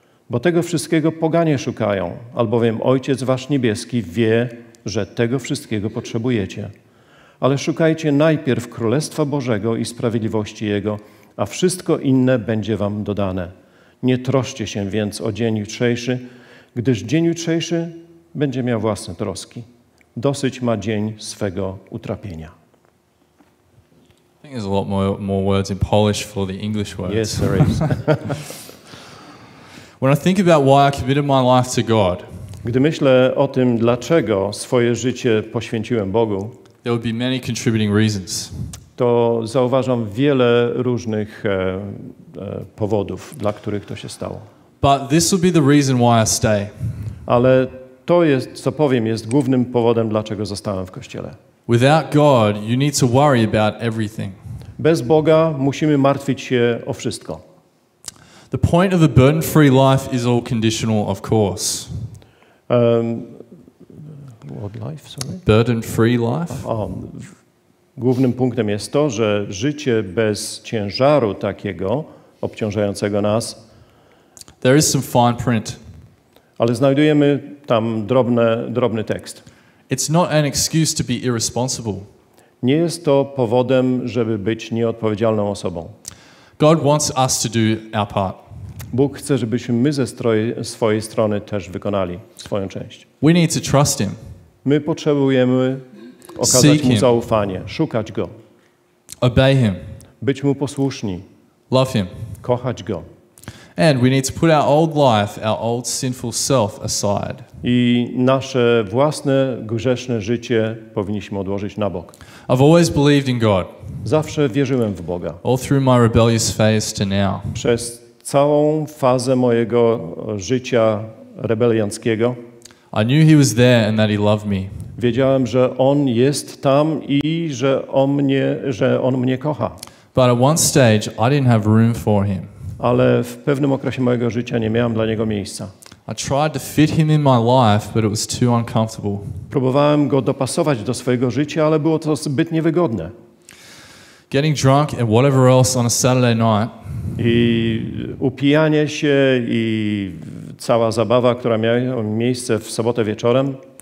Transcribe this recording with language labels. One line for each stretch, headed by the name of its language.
Polish: Bo tego wszystkiego poganie szukają, albowiem Ojciec wasz niebieski wie, że tego wszystkiego potrzebujecie. Ale szukajcie najpierw Królestwa Bożego i sprawiedliwości Jego, a wszystko inne będzie wam dodane. Nie troszcie się więc o dzień jutrzejszy, gdyż dzień jutrzejszy będzie miał własne troski. Dosyć ma dzień swego utrapienia.
English: I think there's a lot more words in Polish for the English words. Yes, there is. When I think about why I committed my life to God,
Polish: gdy myślę o tym, dlaczego swoje życie poświęciłem Bogu,
English: there would be many contributing reasons.
Polish: To zauważam wiele różnych powodów, dla których to się stało.
English: But this would be the reason why I stay.
Polish: Ale to jest, co powiem, jest głównym powodem, dlaczego zostałem w kościele.
English: Without God, you need to worry about everything.
Polish: Bez Boga musimy martwić się o wszystko.
English: The point of a burden-free life is all conditional, of course. Burden-free life?
Polish: Głównym punktem jest to, że życie bez ciężaru takiego obciążającego nas.
English: There is some fine print.
Polish: Ale znajdujemy tam drobny tekst.
English: It's not an excuse to be irresponsible.
Polish: Nie jest to powodem, żeby być nieodpowiedzialną osobą.
English: God wants us to do our part.
Polish: Bóg chce, żebyśmy my ze swojej strony też wykonali swoją część.
English: We need to trust him.
Polish: My potrzebujemy okazać mu zaufanie, szukać go.
English: Obey him.
Polish: Być mu posłuszni.
English: Love him.
Polish: Kochać go.
English: And we need to put our old life, our old sinful self aside.
Polish: I nasze własne grzeszne życie powinniśmy odłożyć na bok.
English: I've always believed in God.
Polish: Zawsze wierzyłem w Boga.
English: All through my rebellious phase to now.
Polish: Przez całą fazę mojego życia rebelianckiego.
English: I knew he was there and that he loved me.
Polish: Wiedziałem, że on jest tam i że on mnie kocha.
English: But at one stage I didn't have room for him.
Polish: Ale w pewnym okresie mojego życia nie miałem dla niego miejsca.
English: I tried to fit him in my life, but it was too uncomfortable.
Polish: Próbowałem go dopasować do swojego życia, ale było to zbyt niewygodne.
English: Getting drunk and whatever else on a Saturday night.
Polish: I upijanie się i cała zabawa, która miała miejsce w sobotę wieczorem.